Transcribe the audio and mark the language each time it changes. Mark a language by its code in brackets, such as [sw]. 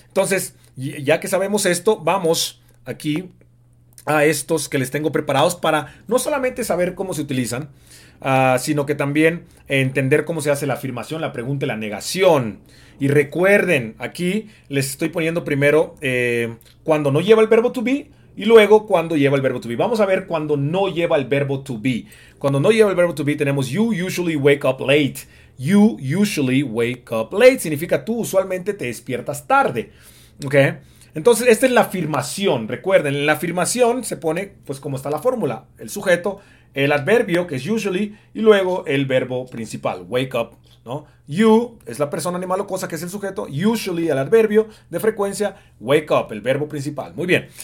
[es] Entonces, ya que sabemos esto, vamos aquí a estos que les tengo preparados para no solamente saber cómo se utilizan, sino que también entender cómo se hace la afirmación, la pregunta y la negación. Y recuerden, aquí les estoy poniendo primero cuando no lleva el verbo to be y luego cuando lleva el verbo to be. Vamos a ver cuando no lleva el verbo to be. Cuando no lleva el verbo to be tenemos [en] you usually wake up late. You usually wake up late. [es] Significa tú usualmente te despiertas tarde. ¿Ok? Entonces, esta es la afirmación. Recuerden, en la afirmación se pone, pues, como está la fórmula: el sujeto, el adverbio, que es usually, y luego el verbo principal, wake up, ¿no? You es la persona, animal o cosa, que es el sujeto, usually el adverbio de frecuencia, wake up, el verbo principal. Muy bien.